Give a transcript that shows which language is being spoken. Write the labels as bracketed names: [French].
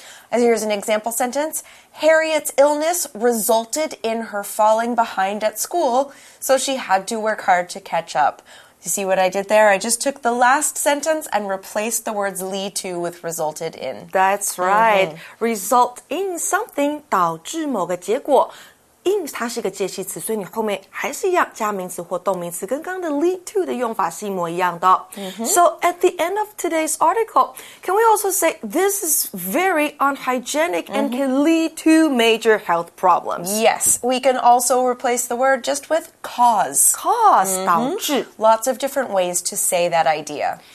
[English] And here's an example sentence. Harriet's illness resulted in her falling behind at school, so she had to work hard to catch up. You see what I did there? I just took the last sentence and replaced the words lead to with resulted in. That's right.、Result in something [Chinese] 导致某个结果。 In 它是一个介系词，所以你后面还是一样加名词或动名词，跟刚刚的 [English] lead to [Chinese] 的用法是一模一样的。 [English] So at the end of today's article, can we also say this is very unhygienic and can lead to major health problems? Yes, we can also replace the word just with cause. [Chinese] Cause, 导致 [English] Lots of different ways to say that idea.